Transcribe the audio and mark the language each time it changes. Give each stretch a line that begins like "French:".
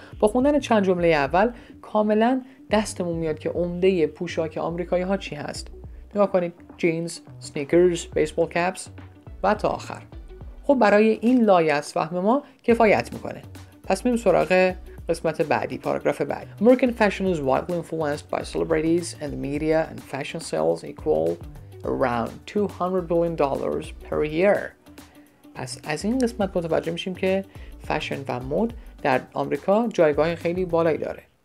Persian: با خوندن چند جمله اول کاملا دستمون میاد که عمده پوشاک آمریکایی ها چی هست. نگاه کنید: جینز، سنیکرز، بیسبال کپس و تا آخر. خب برای این لایه از فهم ما کفایت میکنه. پس میریم سراغ قسمت بعدی، پاراگراف بعدی.
English: American fashion is widely influenced by celebrities and media and fashion sales equal around $200 billion per year.
Persian: پس از این قسمت متوجه میشیم که فشن و مود در آمریکا جایگاه خیلی بالایی داره.